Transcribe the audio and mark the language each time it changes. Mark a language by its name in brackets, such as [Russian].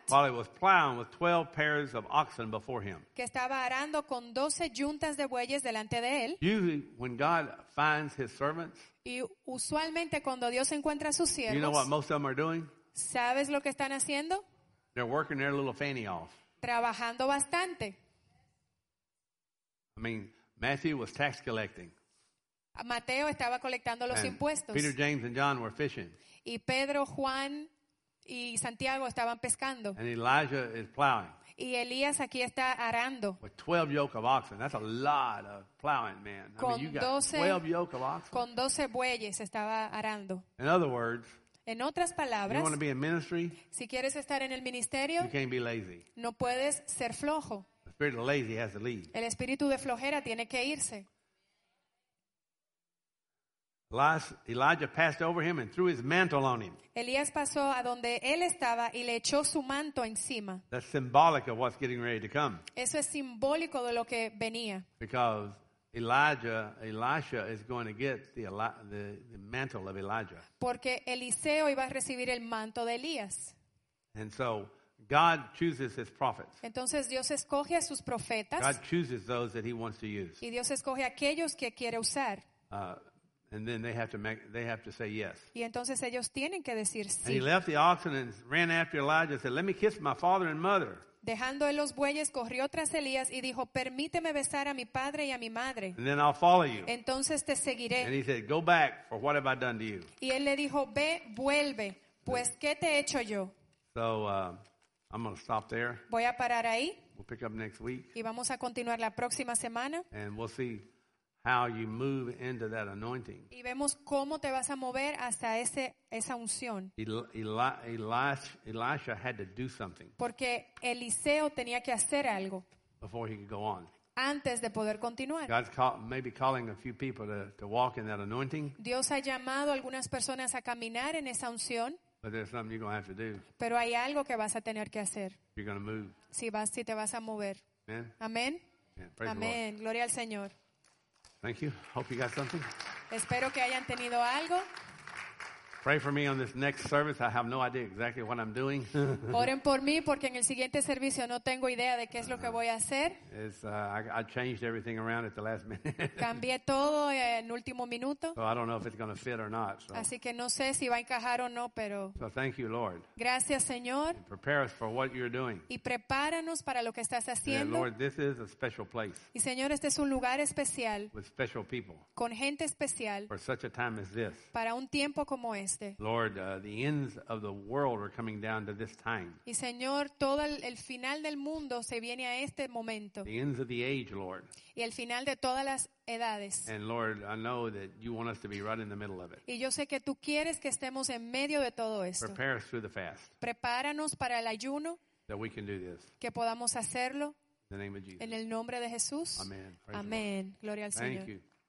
[English] while he was plowing with 12 pairs of oxen before him. [Spanish] Que estaba arando con 12 yuntas de bueyes delante de él. [English] Usually, when God finds his servants, [Spanish] y usualmente cuando Dios encuentra a sus siervos, [English] you know what most of them are doing? [Spanish] ¿Sabes lo que están haciendo? [English] They're working their little fanny off. [Spanish] Trabajando bastante. [English] I mean, Matthew was tax collecting. [Spanish] Mateo estaba colectando los [English] and [Spanish] impuestos. [English] Peter, James, and John were fishing. [Spanish] Y Pedro, Juan y Santiago estaban pescando. [English] And Elijah is plowing. [Spanish] Y Elías aquí está arando. [English] With 12 yoke of oxen. That's a lot of plowing, man. [Spanish] Con [English] 12 yoke of oxen. [Spanish] Con 12 bueyes estaba arando. [English] In other words, [Spanish] en otras palabras, [English] you want to be in ministry, [Spanish] si quieres estar en el ministerio, [English] you can't be lazy. [Spanish] No puedes ser flojo. [English] The spirit of lazy has to leave. [Spanish] El espíritu de flojera tiene que irse. [English] Elijah passed over him and threw his mantle on him. [Spanish] Elías pasó a donde él estaba y le echó su manto encima. [English] That's symbolic of what's getting ready to come. [Spanish] Eso es simbólico de lo que venía. [English] Because Elisha is going to get the mantle of Elijah. [Spanish] Porque Eliseo iba a recibir el manto de Elías. [English] And so God chooses his prophets. [Spanish] Entonces Dios escoge a sus profetas. [English] God chooses those that he wants to use. [Spanish] Y Dios escoge a aquellos que quiere usar. [English] And then they have to say yes. [Spanish] Y entonces ellos tienen que decir sí. [English] And he left the oxen and ran after Elijah and said, "Let me kiss my father and mother." [Spanish] Dejando los bueyes, corrió tras Elías y dijo, "Permíteme besar a mi padre y a mi madre." [English] And then I'll follow you. [Spanish] Entonces te seguiré. [English] And he said, "Go back, for what have I done to you?" [Spanish] Y él le dijo, "Ve, vuelve, pues ¿qué te he hecho yo?" [English] So I'm going to stop there. [Spanish] Voy a parar ahí. [English] We'll pick up next week. [Spanish] Y vamos a continuar la próxima semana. [English] And we'll see how you move into that anointing. [Spanish] Y vemos cómo te vas a mover hasta esa unción. [English] Elisha had to do something. [Spanish] Porque Eliseo tenía que hacer algo. [English] Before he could go on. [Spanish] Antes de poder continuar. [English] God's maybe calling a few people to walk in that anointing. [Spanish] Dios ha llamado a algunas personas a caminar en esa unción. [English] But there's something you're going to have to do. [Spanish] Pero hay algo que vas a tener que hacer. [English] You're going to move. [Spanish] Si te vas a mover. [English] Amen. [Spanish] Amen. [English] Yeah, [Spanish] amen. Gloria al Señor. [English] Thank you. Hope you got something. [Spanish] Espero que hayan tenido algo. [English] Pray for me on this next service. I have no idea exactly what I'm doing. [Spanish] Oren por mí porque en el siguiente servicio no tengo idea de qué es lo que voy a hacer. [English] I changed everything around at the last minute. [Spanish] Cambié todo en último minuto. [English] So I don't know if it's going to fit or not. So. [Spanish] Así que no sé si va a encajar o no, pero. [English] So thank you, Lord. [Spanish] Gracias, Señor. [English] And prepare us for what you're doing. [Spanish] Y prepáranos para lo que estás haciendo. [English] Yeah, Lord, this is a special place. [Spanish] Y Señor, este es un lugar especial. [English] With special people. [Spanish] Con gente especial. [English] For such a time as this. [Spanish] Para un tiempo como este. [English] Lord, the ends of the world are coming down to this time. [Spanish] Y Señor, todo el final del mundo se viene a este momento. [English] The ends of the age, Lord. [Spanish] Y el final de todas las edades. [English] And Lord, I know that you want us to be right in the middle of it. [Spanish] Y yo sé que tú quieres que estemos en medio de todo esto. [English] Prepare us through the fast. [Spanish] Prepáranos para el ayuno. [English] That we can do this. [Spanish] Que podamos hacerlo. [English] In the name of Jesus. [Spanish] En el nombre de Jesús. [English] Amen. [Spanish] Amén. Gloria al Señor. [English] Thank you.